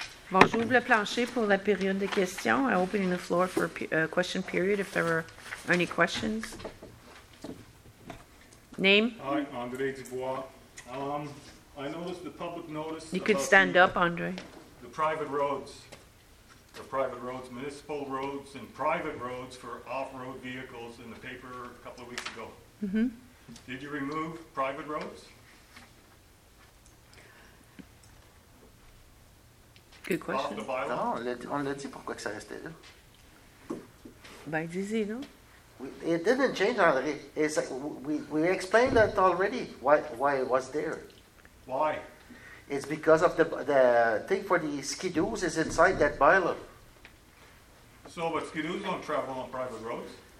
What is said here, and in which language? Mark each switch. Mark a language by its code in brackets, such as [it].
[fr] Bon, j'ouvre le plancher pour la période de questions. [en] I'm opening the floor for a question period if there are any questions. Name? Hi, André Dubois. I noticed the public notice. You could stand up, André. The private roads. The private roads, municipal roads and private roads for off-road vehicles in the paper a couple of weeks ago. Mm-hmm. Did you remove private roads? Good question. [fr] Non, on l'a dit pourquoi que ça restait là. Ben, dis-y, non? [en] It didn't change, André. It's like we explained that already, why it was there. Why? It's because of the thing for the skidoos is inside that bylaw. So, but skidoos don't travel on private roads?